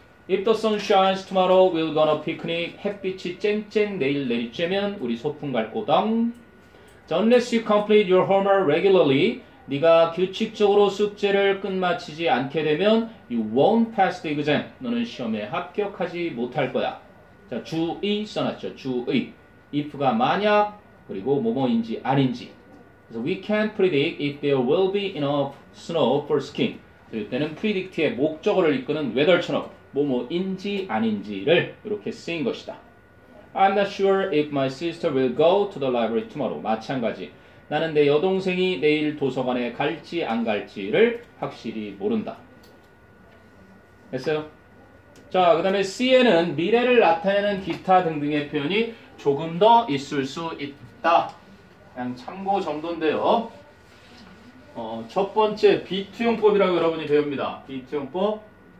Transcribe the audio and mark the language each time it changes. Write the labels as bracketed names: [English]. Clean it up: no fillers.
[English] If the sun shines tomorrow, we'll go on a picnic. [Korean] 햇빛이 쨍쨍 내일 내리쬐면 우리 소풍 갈 거당. [English] Unless you complete your homework regularly, [Korean] 네가 규칙적으로 숙제를 끝마치지 않게 되면 [English] you won't pass the exam. [Korean] 너는 시험에 합격하지 못할 거야. 자, 주의 써놨죠. 주의. If가 만약, 그리고 뭐뭐인지 아닌지. 그래서 [English] we can predict if there will be enough snow for skiing. [Korean] 그럴 때는 predict의 목적어를 이끄는 weather처럼 뭐뭐인지 아닌지를 이렇게 쓰인 것이다. [English] I'm not sure if my sister will go to the library tomorrow. [Korean] 마찬가지. 나는 내 여동생이 내일 도서관에 갈지 안 갈지를 확실히 모른다. 됐어요? 자, 그 다음에 C에는 미래를 나타내는 기타 등등의 표현이 조금 더 있을 수 있다. 그냥 참고 정도인데요. 첫 번째 비투용법이라고 여러분이 배웁니다. 비투용법.